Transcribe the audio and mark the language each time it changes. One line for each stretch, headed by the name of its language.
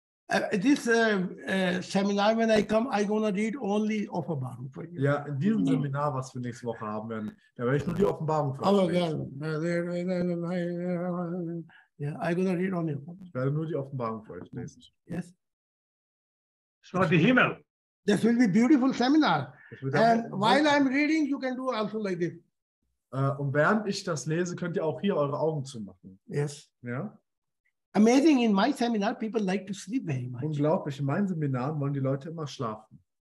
English: Seminar, when I come, I'm gonna read only Offenbarung for you.
German: Ja, in diesem Seminar, was wir nächste Woche haben werden, da werde ich nur die Offenbarung vorlesen.
English: Yeah, I'm gonna read only.
German: Ich werde nur die Offenbarung für euch lesen.
English: Yes. So the Himmel. This will be beautiful seminar. And while I'm reading, you can do also like this.
German: Und während ich das lese, könnt ihr auch hier eure Augen zumachen.
English: Yes.
German: Ja.
English: Amazing, in my seminar, people like to sleep very much.
German: Unglaublich, in meinen Seminaren wollen die Leute immer schlafen.